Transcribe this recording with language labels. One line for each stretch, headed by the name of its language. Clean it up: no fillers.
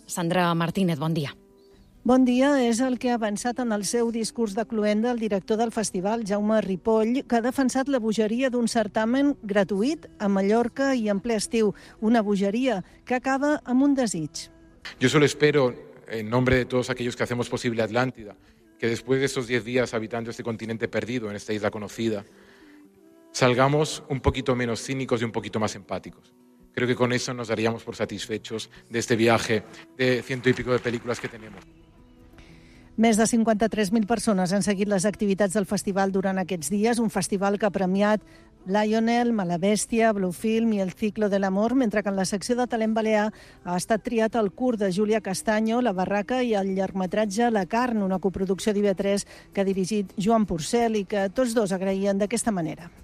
Catalan: Sandra Martínez, bon dia. Bon dia, és el que ha avançat en el seu discurs de cloenda el director del festival, Jaume Ripoll, que ha defensat la bogeria d'un certamen gratuït a Mallorca i en ple estiu. Una bogeria que acaba amb un desig.
Spanish: Yo solo espero en nombre de todos aquellos que hacemos posible Atlántida, que después de esos 10 días habitando este continente perdido en esta isla conocida, salgamos un poquito menos cínicos y un poquito más empáticos. Creo que con eso nos daríamos por satisfechos de este viaje de ciento y pico de películas que tenemos.
Catalan: Més de 53.000 persones han seguit les activitats del festival durant aquests dies, un festival que ha premiat Lionel, Malabèstia, Blue Film i El Ciclo de l'Amor, mentre que en la secció de Talent Balear ha estat triat el curt de Júlia Castaño, La Barraca, i el llargmetratge La Carn, una coproducció d'IB3 que ha dirigit Joan Porcel i que tots dos agraïen d'aquesta manera.